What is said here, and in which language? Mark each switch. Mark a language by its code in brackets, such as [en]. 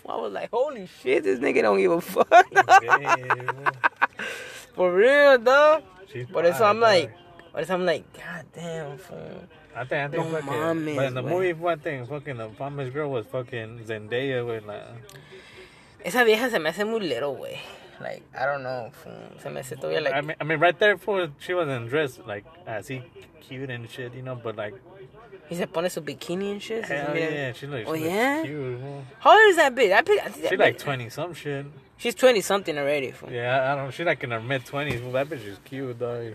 [en] I was like, holy shit, this nigga don't give a fuck. For real, though. But it's I'm like, God damn, fuck. I think but in the movie, one thing, fucking the famous girl was fucking Zendaya with like. [es] Esa vieja se me hace muy [en] little, [es] güey. [en] Like, I don't know. [es] Se me hace todavía, [en] like... I mean, right there, she wasn't dressed, like, as he cute and shit, you know, but, like... [es] He se pone su bikini [en] and shit? She looks cute, man. How old is that bitch? She's like 20-some shit. She's 20-something already, fool. Yeah, I don't... She's, like, in her mid-20s, fool. That bitch is cute, though.